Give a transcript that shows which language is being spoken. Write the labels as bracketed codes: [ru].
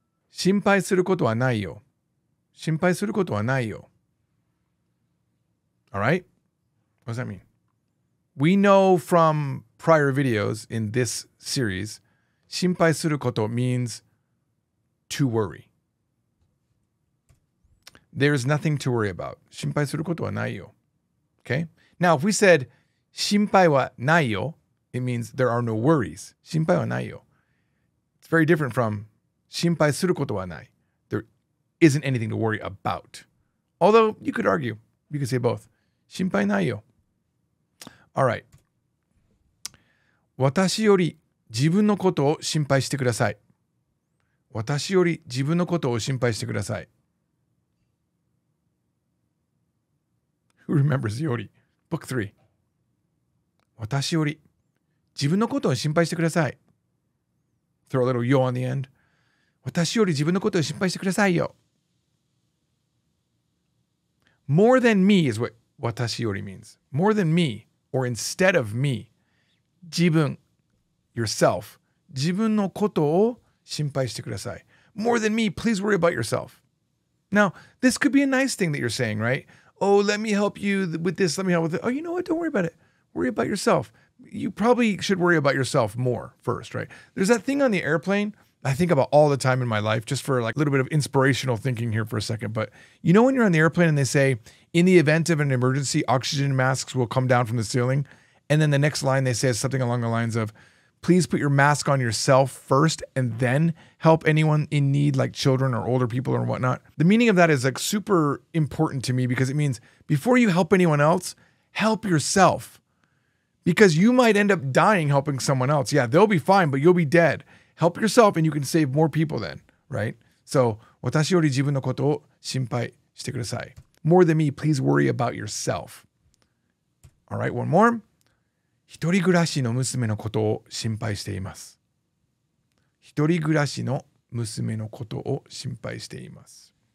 [ja] 心配することはないよ。心配することはないよ。 [en] All right? What does that mean? We know from prior videos in this series, [ja] 心配すること [en] means to worry. There is nothing to worry about. [ja] 心配することはないよ. [en] Okay? Now, if we said [ja] 心配はないよ, [en] it means there are no worries. [ja] 心配はないよ. [en] It's very different from [ja] 心配することはない. [en] There isn't anything to worry about. Although, you could argue. You could say both. [ja] 心配ないよ. [en] All right. [ja] 私より自分のことを心配してください. 私より自分のことを心配してください. [en] Who remembers Yori? Book 3. [ja] 私より自分のことを心配してください. [en] Throw a little yo on the end. [ja] 私より自分のことを心配してくださいよ. [en] More than me is what [ja] 私より [en] means. More than me. or instead of me. [ja] 自分 [en] yourself. [ja] 自分のことを心配してください。 [en] More than me, please worry about yourself. Now, this could be a nice thing that you're saying, right? Oh, let me help you with this, let me help with it. Oh, you know what? Don't worry about it. Worry about yourself. You probably should worry about yourself more first, right? There's that thing on the airplane I think about all the time in my life, just for like a little bit of inspirational thinking here for a second. But you know when you're on the airplane and they say, in the event of an emergency, oxygen masks will come down from the ceiling. And then the next line they say is something along the lines of, please put your mask on yourself first and then help anyone in need like children or older people or whatnot. The meaning of that is like super important to me because it means before you help anyone else, help yourself. Because you might end up dying helping someone else. Yeah, they'll be fine, but you'll be dead. Help yourself and you can save more people then, right? [ja] So, 私より自分のことを心配してください。 [en] More than me, please worry about yourself. All right, one more. [ja] 一人暮らしの娘のことを心配しています。一人暮らしの娘のことを心配しています。